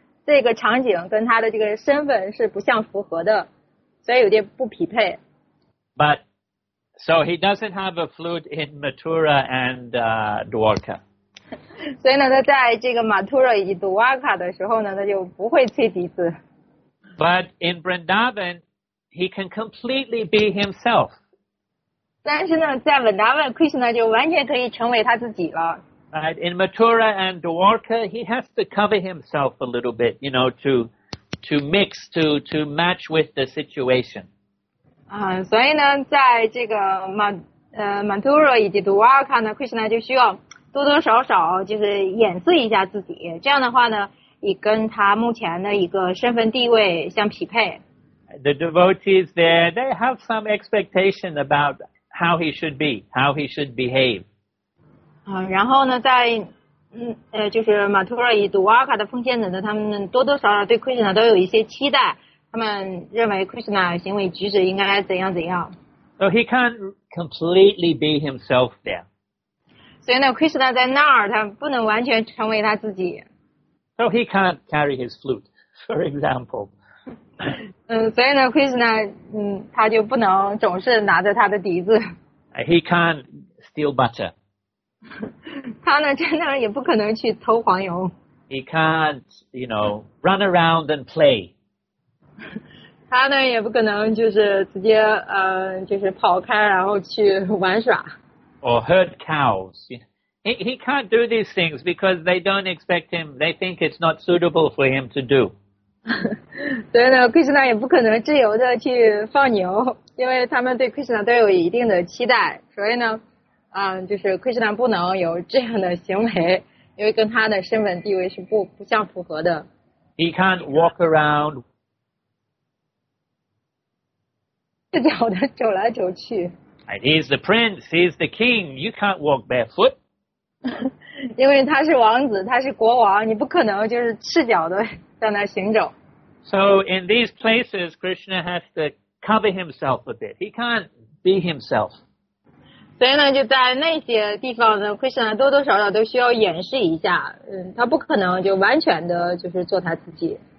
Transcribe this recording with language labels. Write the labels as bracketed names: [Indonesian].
[Chinese] 这个场景跟他的这个身份是不相符合的，所以有点不匹配。 [English] But so he doesn't have a flute in Mathura and Dwarka. [Chinese] 所以呢，他在这个 Mathura 以及 Dwarka 的时候呢，他就不会吹笛子。 [English] But in Vrindavan, he can completely be himself. [Chinese] 但是呢，在 Vrindavan, Krishna 就完全可以成为他自己了。 [English] Right. In Mathura and Dwarka, he has to cover himself a little bit, you know, to mix, to match with the situation. [Chinese] 所以呢，在这个Mathura 以及 Dwarka 呢 ，Krishna 就需要多多少少就是掩饰一下自己。这样的话呢，也跟他目前的一个身份地位相匹配。 [English] The devotees there, they have some expectation about how he should be, how he should behave. [Chinese] 然后呢在就是 Mathura 以及 Dwarka 的奉献者呢他们多多少少对 Krishna 都有一些期待他们认为 Krishna 行为举止应该怎样怎样。 [English] So he can't completely be himself there. [Chinese] 所以呢 Krishna 在那儿他不能完全成为他自己。 [English] So he can't carry his flute, for example. [Chinese] 所以呢 Krishna, 他就不能总是拿着他的笛子。 [English] He can't steal butter. [Chinese] 他呢真的也不可能去偷黄油。 [English] He can't, you know, run around and play. [Chinese] 他呢也不可能就是直接就是跑开然后去玩耍。 [English] Or herd cows. He can't do these things because they don't expect him, they think it's not suitable for him to do. [Chinese] 所以呢 Krishna 也不可能自由的去放牛因为他们对 Krishna 都有一定的期待所以呢就是 Krishna 不能有这样的行为因为跟他的身份地位是不相符合的。 [English] He can't walk around. [Chinese] 赤脚的走来走去。 [English] He's the prince, he's the king, you can't walk barefoot. [Chinese] 因为他是王子他是国王你不可能就是赤脚的在那行走。 [English] So in these places, Krishna has to cover himself a bit. He can't be himself. [Chinese] 所以呢就在那些地方呢 Krishna 多多少少都需要掩饰一下他不可能就完全的就是做他自己。